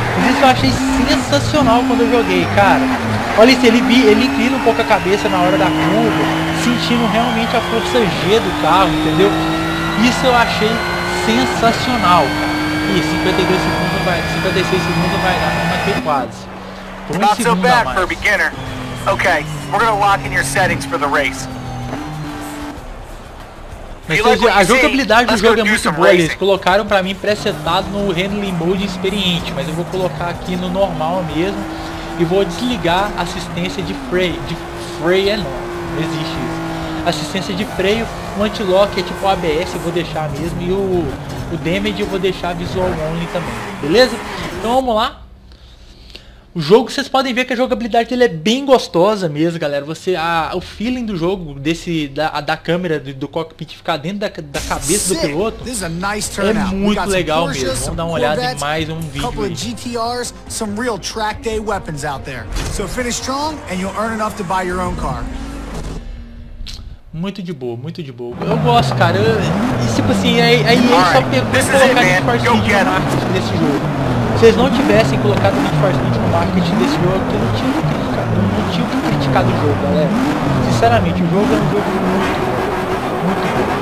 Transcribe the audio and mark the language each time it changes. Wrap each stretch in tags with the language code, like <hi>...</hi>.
<pt>Isso eu achei sensacional quando eu joguei, cara. Olha isso, ele inclina um pouco a cabeça na hora da curva, sentindo realmente a força G do carro, entendeu? Isso eu achei sensacional, cara. Ih, 52 segundos vai, 56 segundos vai dar, mas tem quase.</pt> <en>Not so bad for a beginner. Okay, we're gonna lock in your settings for the race.</en> <pt>Mas a jogabilidade do jogo é muito boa, eles colocaram pra mim pré-setado no Handling Mode Experiente, mas eu vou colocar aqui no normal mesmo e vou desligar assistência de freio. De freio é não, não existe isso. Assistência de freio, o anti-lock é tipo ABS, eu vou deixar mesmo, e o damage eu vou deixar visual only também, beleza? Então vamos lá. O jogo, vocês podem ver que a jogabilidade dele é bem gostosa mesmo, galera. O feeling do jogo, da câmera, do cockpit ficar dentro da cabeça do piloto, é muito legal mesmo. Vamos dar uma olhada em mais um vídeo aí.</pt> <en>GTRs, some real track day weapons out there. So finish strong and you'll earn enough to buy your own car.</en> <pt>Muito de boa, muito de boa. Eu gosto, cara. Aí só pegou colocar Need for Speed no marketing desse jogo. Se eles não tivessem colocado Need for Speed no marketing desse jogo, eu não tinha criticado. Não tinha o que criticar do jogo, galera. Sinceramente, o jogo é um jogo muito, muito bom.</pt>